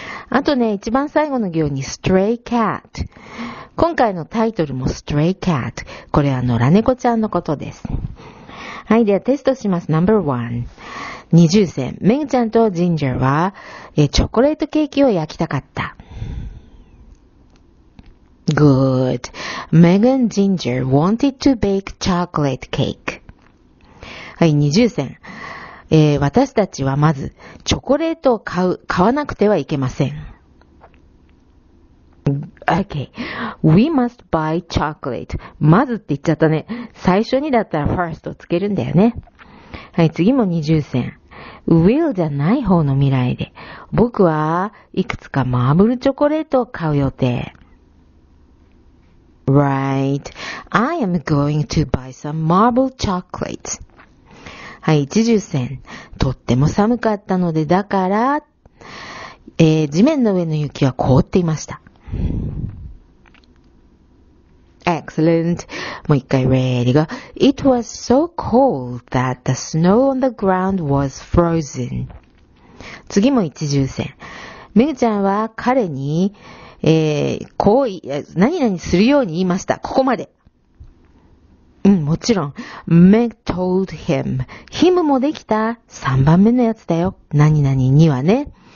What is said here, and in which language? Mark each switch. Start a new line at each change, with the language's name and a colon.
Japanese: あとね、一番最後の行に、ストレイカット。今回のタイトルもストレイカット。これは野良猫ちゃんのことです。はい、ではテストします。ナンバーワン。二重線。メグちゃんとジンジャーは、チョコレートケーキを焼きたかった。
English: Good. Meg and Ginger wanted to bake chocolate cake.
Japanese: はい、二重線。私たちはまず、チョコレートを買わなくてはいけません。
English: Okay. We must buy chocolate.
Japanese: まずって言っちゃったね。最初にだったら first をつけるんだよね。はい、次も二重線。Will じゃない方の未来で、僕はいくつかマーブルチョコレートを買う予定。
English: Right. I am going to buy some marble chocolates.
Japanese: はい、一重線。とっても寒かったので、だから、地面の上の雪は凍っていました。
English: Excellent.
Japanese: もう一回、
English: ready go. It was so cold that the snow on the ground was frozen.
Japanese: 次も一重線。めぐちゃんは彼に、こう、何々するように言いました。ここまで。うん、もちろん。
English: Meg told him.
Japanese: Him もできた。3番目のやつだよ。何々にはね。